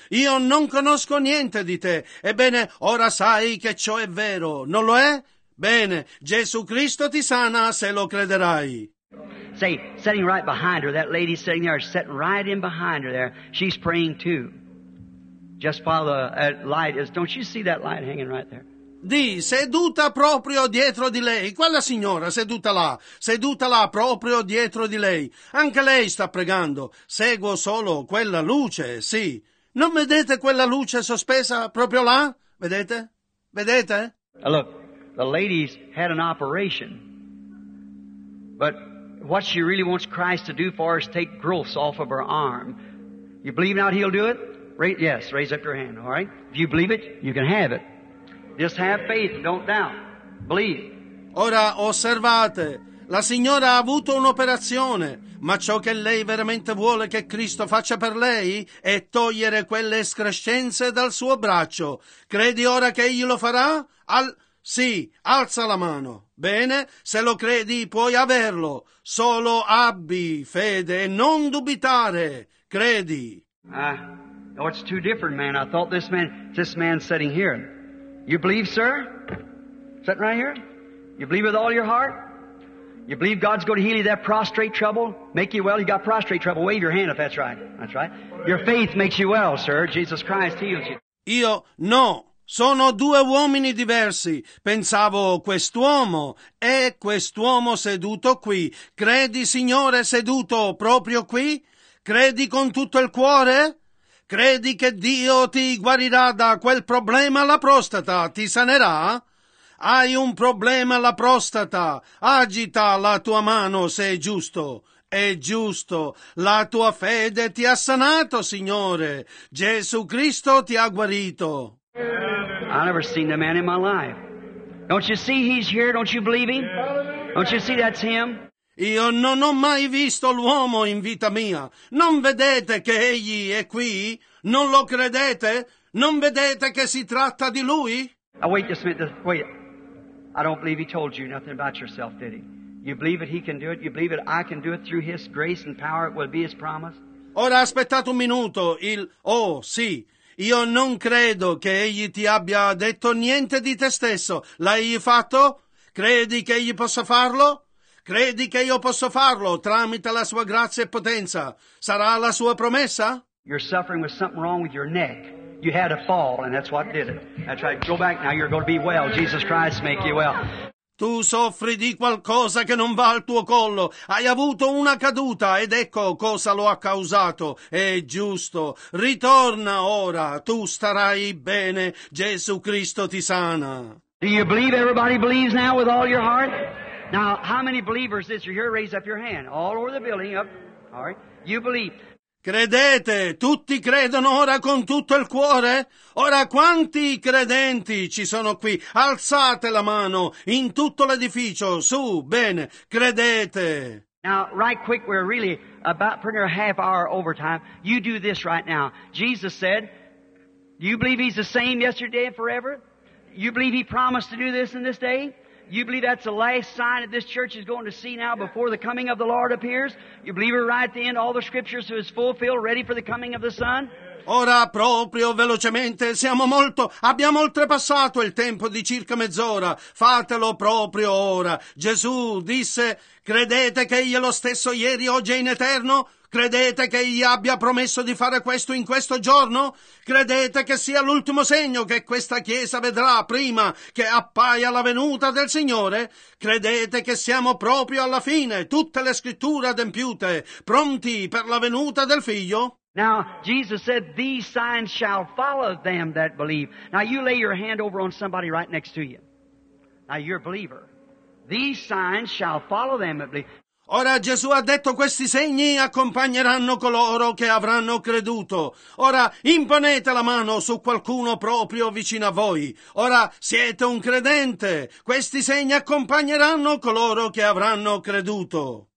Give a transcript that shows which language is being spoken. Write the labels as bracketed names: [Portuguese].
[Italian] Io non conosco niente di te. Ebbene, ora sai che ciò è vero. Non lo è? Bene. Gesù Cristo ti sana se lo crederai. [English] Say, sitting right behind her, that lady sitting there, sitting right in behind her there, she's praying too. Just while the light is, don't you see that light hanging right there? [Italian] Di, seduta proprio dietro di lei, quella signora seduta là proprio dietro di lei, anche lei sta pregando, seguo solo quella luce, sì, non vedete quella luce sospesa proprio là? Vedete? Vedete? [English] Look, the lady's had an operation, but what she really wants Christ to do for her is take growths off of her arm. You believe now he'll do it? Yes, raise up your hand, all right? If you believe it, you can have it. Just have faith, don't doubt. Believe. [Italian] Ora osservate, la signora ha avuto un'operazione, ma ciò che lei veramente vuole che Cristo faccia per lei è togliere quelle escrescenze dal suo braccio. Credi ora che egli lo farà? Sì, alza la mano. Bene, se lo credi puoi averlo. Solo abbi fede e non dubitare. Credi. [English] Oh, it's two different men. I thought this man sitting here. You believe, sir? Sitting right here? You believe with all your heart? You believe God's going to heal you that prostrate trouble? Make you well? You got prostrate trouble? Wave your hand if that's right. That's right. Your faith makes you well, sir. Jesus Christ heals you. [Italian] Io, no. Sono due uomini diversi. Pensavo, quest'uomo è quest'uomo seduto qui. Credi, Signore, seduto proprio qui? Credi con tutto il cuore? Credi che Dio ti guarirà da quel problema alla prostata? Ti sanerà? Hai un problema alla prostata. Agita la tua mano se è giusto. È giusto. La tua fede ti ha sanato, Signore. Gesù Cristo ti ha guarito. [English] I've never seen a man in my life. Don't you see he's here? Don't you believe him? Don't you see that's him? [Italian] Io non ho mai visto l'uomo in vita mia. Non vedete che egli è qui? Non lo credete? Non vedete che si tratta di lui? [English] Now wait just a minute. Wait. I don't believe he told you nothing about yourself, did he? You believe it, he can do it. You believe it, I can do it through his grace and power. It will be his promise. [Italian] Ora aspettate un minuto. Sì. Io non credo che egli ti abbia detto niente di te stesso. L'hai fatto? Credi che egli possa farlo? Credi che io posso farlo tramite la sua grazia e potenza? Sarà la sua promessa? [English] You're suffering with something wrong with your neck. You had a fall and that's what did it. That's right. Go back now. You're going to be well. Jesus Christ make you well. [Italian] Tu soffri di qualcosa che non va al tuo collo. Hai avuto una caduta ed ecco cosa lo ha causato. È giusto. Ritorna ora. Tu starai bene. Gesù Cristo ti sana. [English] Do you believe everybody believes now with all your heart? Now, how many believers is here? Raise up your hand. All over the building. Up. All right. You believe. [Italian] Credete? Tutti credono ora con tutto il cuore? Ora quanti credenti ci sono qui? Alzate la mano in tutto l'edificio. Su, bene, credete. [English] Now, right quick, we're really about pretty near half hour overtime. You do this right now. Jesus said, do you believe he's the same yesterday and forever? You believe he promised to do this in this day? You believe that's the last sign that this church is going to see now before the coming of the Lord appears? You believe it right at the end, all the scriptures is fulfilled, ready for the coming of the Son? [Italian] Ora, proprio, velocemente, abbiamo oltrepassato il tempo di circa mezz'ora. Fatelo proprio ora. Gesù disse, credete che egli è lo stesso ieri, oggi e in eterno? Credete che egli abbia promesso di fare questo in questo giorno? Credete che sia l'ultimo segno che questa Chiesa vedrà prima che appaia la venuta del Signore? Credete che siamo proprio alla fine, tutte le scritture adempiute, pronti per la venuta del Figlio? [English] Now, Jesus said, these signs shall follow them that believe. Now, you lay your hand over on somebody right next to you. Now, you're a believer. These signs shall follow them that believe. [Italian] Ora Gesù ha detto questi segni accompagneranno coloro che avranno creduto. Ora imponete la mano su qualcuno proprio vicino a voi. Ora siete un credente. Questi segni accompagneranno coloro che avranno creduto.